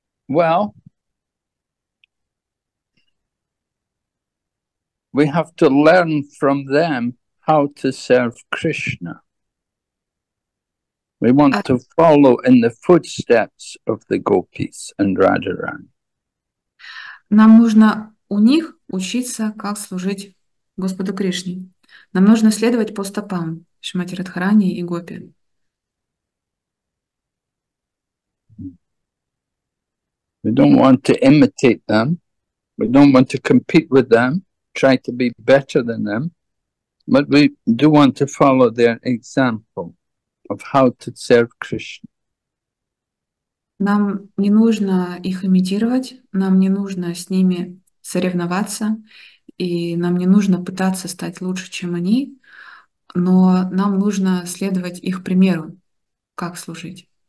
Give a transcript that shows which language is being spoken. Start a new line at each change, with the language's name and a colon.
English: Well, we have to learn from them how to serve Krishna. We want to follow in the footsteps of the gopis and Radharani.
Russian: Нам нужно у них учиться, как служить Господу Кришне. Нам нужно следовать по стопам Шримати Радхарани и Гопи.
English: We don't want to imitate them. We don't want to compete with them, try to be better than them. But we do want to follow their example of how to serve Krishna.
Russian: Нам не нужно их имитировать, нам не нужно с ними соревноваться, и нам не нужно пытаться стать лучше, чем они, но нам нужно следовать их примеру, как служить.